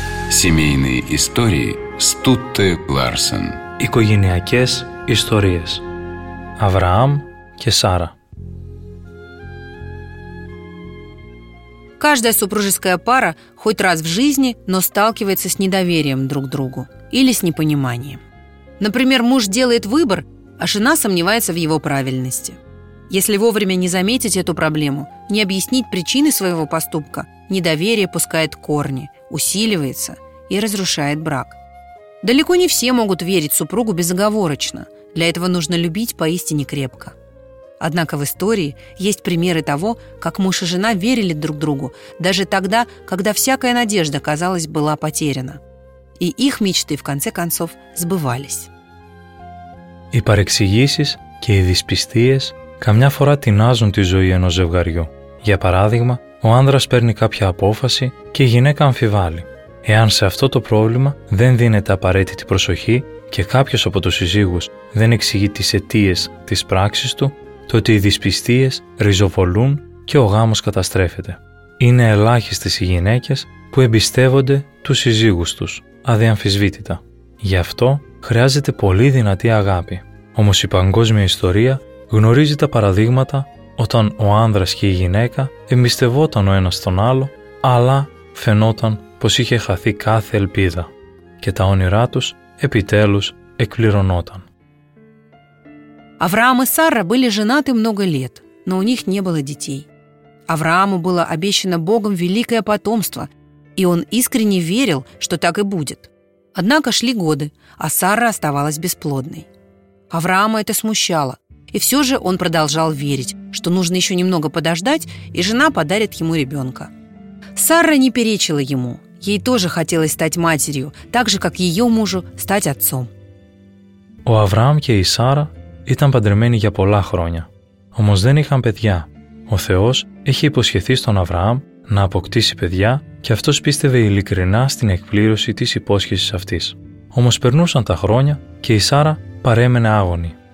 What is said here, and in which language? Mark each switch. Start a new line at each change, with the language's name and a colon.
Russian: Семейные истории с Тутте Ларсен.
Greek: Οικογενειακές ιστορίες. Αβραάμ και Σάρα.
Russian: Каждая супружеская пара хоть раз в жизни, но сталкивается с недоверием друг к другу или с непониманием. Например, муж делает выбор, а жена сомневается в его правильности. Если вовремя не заметить эту проблему, не объяснить причины своего поступка, недоверие пускает корни, усиливается и разрушает брак. Далеко не все могут верить супругу безоговорочно. Для этого нужно любить поистине крепко. Однако в истории есть примеры того, как муж и жена верили друг другу, даже тогда, когда всякая надежда, казалось, была потеряна. И их мечты, в конце концов, сбывались.
Greek: И парексигисис, и диспистиес – καμιά φορά τεινάζουν τη ζωή ενός ζευγαριού. Για παράδειγμα, ο άνδρας παίρνει κάποια απόφαση και η γυναίκα αμφιβάλλει. Εάν σε αυτό το πρόβλημα δεν δίνεται απαραίτητη προσοχή και κάποιος από τους συζύγους δεν εξηγεί τις αιτίες της πράξης του, τότε οι δυσπιστίες ριζοβολούν και ο γάμος καταστρέφεται. Είναι ελάχιστες οι γυναίκες που εμπιστεύονται τους συζύγους τους, αδιαμφισβήτητα. Γι' αυτό χρειάζεται πολύ δυνατή αγάπη. Όμως η παγκόσμια ιστορία γνωρίζει τα παραδείγματα όταν ο άνδρας και η γυναίκα εμπιστευόταν ο ένας τον άλλο, αλλά φαινόταν πως είχε χαθεί κάθε ελπίδα και τα όνειρά τους επιτέλους εκπληρωνόταν.
Russian: Авраам и Сара были женаты много лет, но у них не было детей. Аврааму было обещано Богом великое потомство, и он искренне верил, что так и будет. Однако шли годы, а Сара оставалась бесплодной. Авраама это смущало. И все же он продолжал верить, что нужно еще немного подождать, и жена подарит ему ребенка. Сара не перечила ему. Ей тоже хотелось стать матерью, так же, как ее мужу стать отцом.
Greek: У Авраама и Сара ήταν παντρεμένη για πολλά χρόνια. Όμως δεν είχαν παιδιά. Ο Θεός είχε υποσχεθεί στον Αβραάμ να αποκτήσει παιδιά και αυτός πίστευε ειλικρινά στην εκπλήρωση της υπόσχεσης αυτής. Όμως περνούσαν τα χρόνια και η Σάρα παρέμενε άγονη.